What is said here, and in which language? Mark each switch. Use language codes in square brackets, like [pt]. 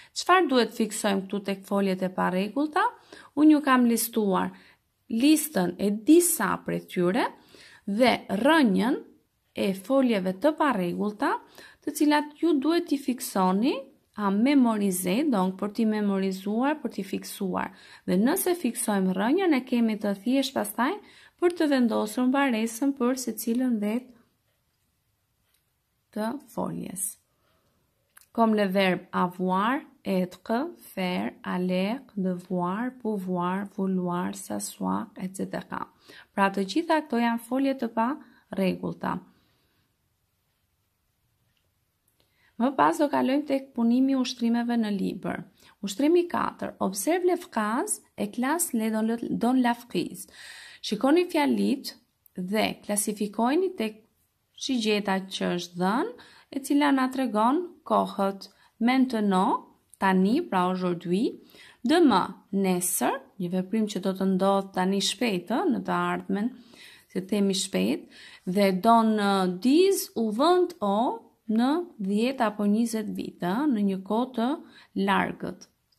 [sq] Çfarë duhet fiksojmë këtu tek foljet e parregullta? Unë ju kam listuar listën e disa prej tyre dhe rënjën e foljeve të parregullta, të cilat ju duhet t'i fiksoni, a memorize, donk për t'i memorizuar, për t'i fiksuar. Dhe nëse fiksojmë rënjën e kemi të thjesht pastaj për të vendosur mbaresën për secilën vetë të foljes. [fr] Comme le verbe avoir, être, faire, aller, devoir, pouvoir, vouloir, s'asseoir, etc. [sq] Pra të gjitha këto janë folje të pa rregullta. Më pas do kalojmë tek punimi i ushtrimeve në libër. Ushtrimi 4. [fr] Observe les phrases et classe les dans la phrase. [sq] Shikoni fjalit dhe klasifikojni tek shigjeta që është dhënë, e cila na tregon kohët. Maintenant, tani, pra aujourd'hui, demain, nesër, një veprim që do të ndodhë tani shpejtë, në të ardhmen, se themi shpejt, dhe donë diz u vënd o në 10 apo 20 vite, në një kohë të largët.